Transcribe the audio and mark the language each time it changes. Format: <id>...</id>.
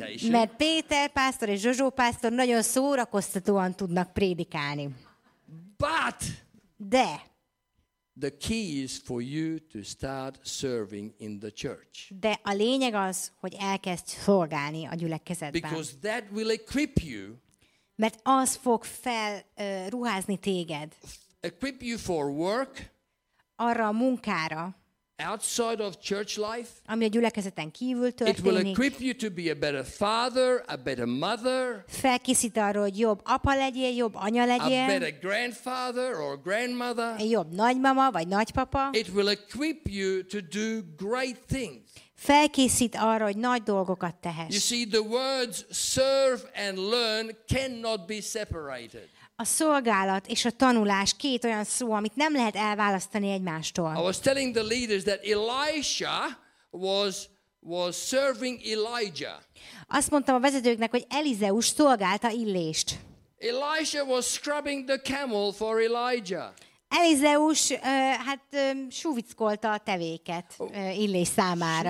<hu>Mert Péter pásztor és Zsozsó pásztor nagyon szórakoztatóan tudnak prédikálni. De</hu> <en>the key is for you to start serving in the church.</en> <hu>De a lényeg az, hogy elkezdj szolgálni a gyülekezetben.</hu> <en>Because that will equip you.</en> <hu>Mert az fog felruházni téged.</hu> <en>Equip you for work.</en> <hu>Arra a munkára.</hu> <en>Outside of church life.</en> <hu>Ami a gyülekezeten kívül történik.</hu> <en>It will equip you to be a better father, a better mother.</en> <hu>Felkészít arra, hogy jobb apa legyél, jobb anya legyél.</hu> <en>A better grandfather or grandmother.</en> <hu>Jobb nagymama vagy nagypapa.</hu> <en>It will equip you to do great things.</en> <hu>Felkészít arra, hogy nagy dolgokat tehess.</hu> <en>You see, the words serve and learn cannot be separated.</en> <hu>A szolgálat és a tanulás két olyan szó, amit nem lehet elválasztani egymástól.</hu> <en>I was telling the leaders that Elisha was serving Elijah.</en> <hu>Azt mondtam a vezetőknek, hogy Elizeus szolgálta Illést.</hu> <en>Elisha was scrubbing the camel for Elijah.</en> <hu>Elizeus súvickolta a tevéket Illés számára.</hu>